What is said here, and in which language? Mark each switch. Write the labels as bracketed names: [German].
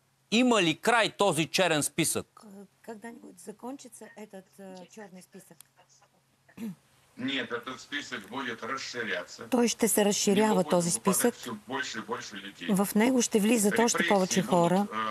[Bulgarian] Има ли край този черен списък? [Russian] Когда-нибудь закончится этот черный список? Нет, этот список будет расширяться. [Bulgarian] Той ще се разширява този списък. В него ще влизат още повече хора.